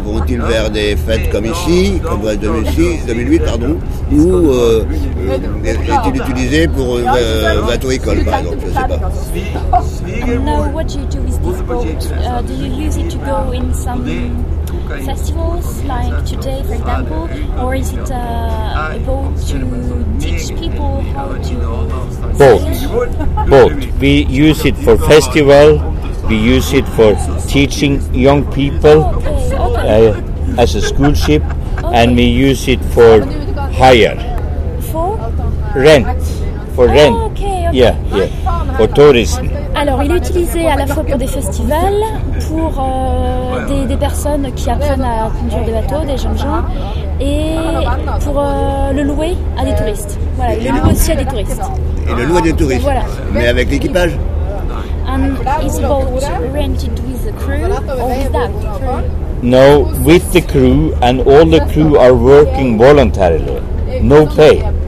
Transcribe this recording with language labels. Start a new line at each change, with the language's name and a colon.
French: Vont-ils vers des fêtes comme ici, comme 2008, pardon, ou est-il utilisé pour bateau école, par exemple? Je ne sais pas.
English: Now, what do you do with this boat? Do you use it to go in some festivals, like today, for example, or is it a boat to teach people how to? Boat. We use it for festival. We use it for teaching young people as a school ship, and we use it for hire. For rent. For rent. Oh, okay. Yeah, yeah. For tourism.
French: Alors, il est utilisé à la fois pour des festivals, pour des personnes qui apprennent à conduire des bateaux, des jeunes gens, et pour le louer à des touristes. Voilà, il le loue aussi à des touristes. Et le loue à des touristes. Voilà. Mais avec l'équipage.
English: Is boat rented with the crew or with that crew? No, with the crew, and all the crew are working voluntarily, no pay.